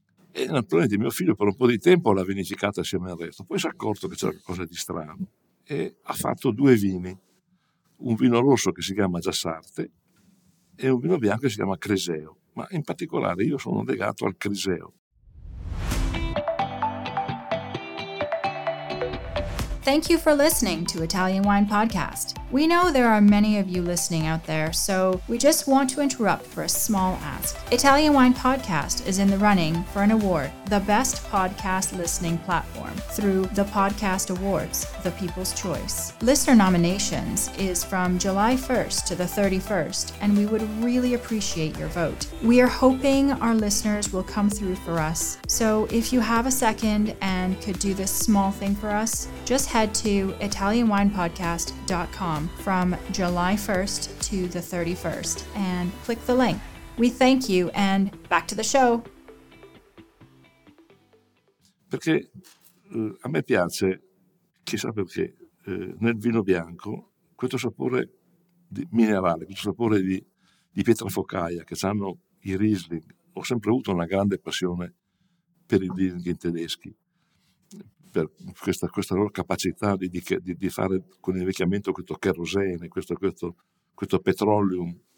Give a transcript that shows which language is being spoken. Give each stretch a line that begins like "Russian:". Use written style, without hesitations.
Italian: E naturalmente mio figlio per un po' di tempo l'ha vinificata assieme al resto. Poi si è accorto che c'era qualcosa di strano e ha fatto due vini. Un vino rosso che si chiama Giassarte, e un vino bianco che si chiama Criseo, ma in particolare io sono legato al Criseo.
English: Thank you for listening to Italian Wine Podcast. We know there are many of you listening out there, so we just want to interrupt for a small ask. Italian Wine Podcast is in the running for an award, the best podcast listening platform, through the Podcast Awards, the People's Choice. Listener nominations is from July 1st to the 31st, and we would really appreciate your vote. We are hoping our listeners will come through for us. So if you have a second and could do this small thing for us, just head to italianwinepodcast.com from July 1st to the 31st and click the link. We thank you and back to the show.
Italian: Perché a me piace, chissà perché, nel vino bianco questo sapore di minerale, questo sapore di pietrafocaia che hanno i Riesling. Ho sempre avuto una grande passione per i Riesling tedeschi, per questa loro capacità di fare con l'invecchiamento questo kerosene, questo petroleum.